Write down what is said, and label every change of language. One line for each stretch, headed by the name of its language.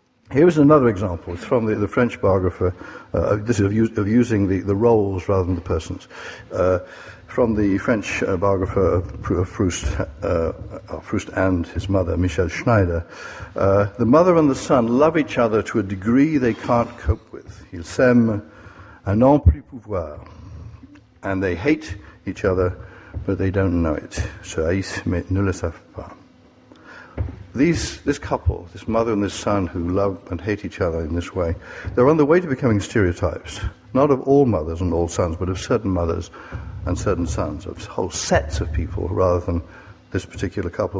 English: Here's another example. It's from the French biographer. This is of using the roles rather than the persons. From the French biographer of Proust, Proust and his mother, Michel Schneider, the mother and the son love each other to a degree they can't cope with.
French: Ils s'aiment à n'en plus pouvoir.
English: And they hate each other, but they don't know it.
French: Se haïssent, mais ne le savent pas.
English: This couple, this mother and this son who love and hate each other in this way, they're on the way to becoming stereotypes, not of all mothers and all sons, but of certain mothers and certain sons, of whole sets of people rather than this particular couple.